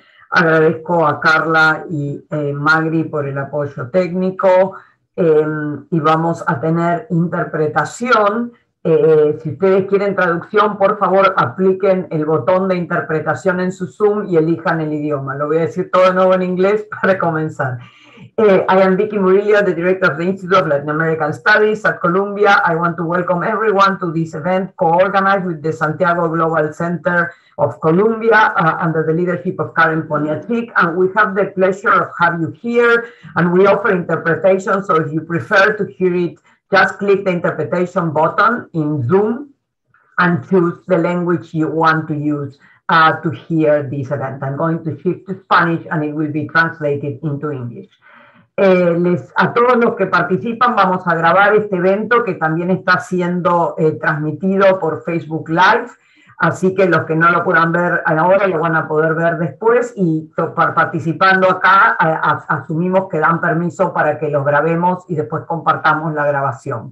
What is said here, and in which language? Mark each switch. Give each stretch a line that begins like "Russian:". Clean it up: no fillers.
Spanish: Agradezco a Carla y Magri por el apoyo técnico, y vamos a tener interpretación. Si ustedes quieren traducción, por favor, apliquen el botón de interpretación en su Zoom y elijan el idioma. Lo voy a decir todo de nuevo en inglés para comenzar.
English: I am Vicky Murillo, the director of the Institute of Latin American Studies at Columbia. I want to welcome everyone to this event co-organized with the Santiago Global Center of Columbia under the leadership of Karen Poniachik. And we have the pleasure of having you here, and we offer interpretation, so if you prefer to hear it, just click the interpretation button in Zoom and choose the language you want to use to hear this event. I'm going to shift to Spanish and it will be translated into English.
Spanish: A todos los que participan, vamos a grabar este evento que también está siendo transmitido por Facebook Live. Así que los que no lo puedan ver ahora lo van a poder ver después, y participando acá asumimos que dan permiso para que los grabemos y después compartamos la grabación.